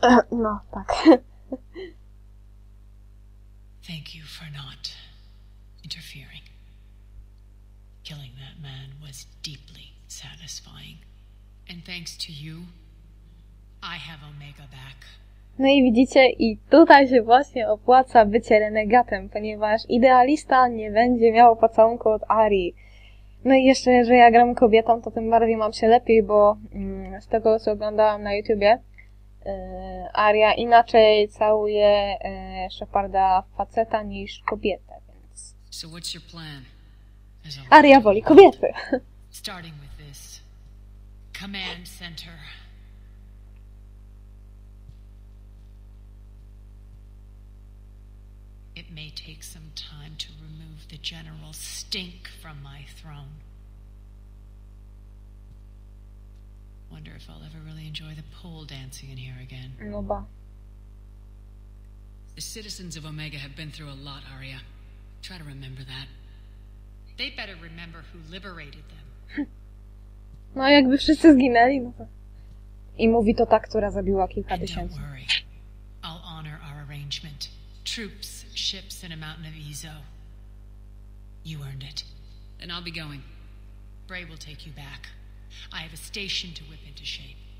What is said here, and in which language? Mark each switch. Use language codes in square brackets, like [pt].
[pl] No, tak. [en] Thank you for not interfering. Killing that man was deeply satisfying. And thanks to you, I have Omega back. [pl] No i widzicie, i tutaj się właśnie opłaca bycie renegatem, ponieważ idealista nie będzie miał pocałunku od Arii. No i jeszcze, że ja gram kobietą, to tym bardziej mam się lepiej, bo z tego, co oglądałam na YouTubie, Aria inaczej całuje Sheparda faceta niż kobietę, więc... [en] So what's your plan? [pl] Aria woli kobiety. [en] Starting with this command center. It may take some time to remove the general stink from my throne. Wonder if I'll ever really enjoy the pole dancing in here again. [pl] No ba. [en] The citizens of Omega have been through a lot, Aria. Try to remember that. They better remember who liberated them. [pl] No jakby wszyscy zginęli, no to... I mówi to ta, która zabiła kilka tysięcy. [en] Don't worry. I'll honor our arrangement. Troops, ships and a mountain of Izo. You earned it. And I'll be going. Bray will take you back. I have a station to whip into shape.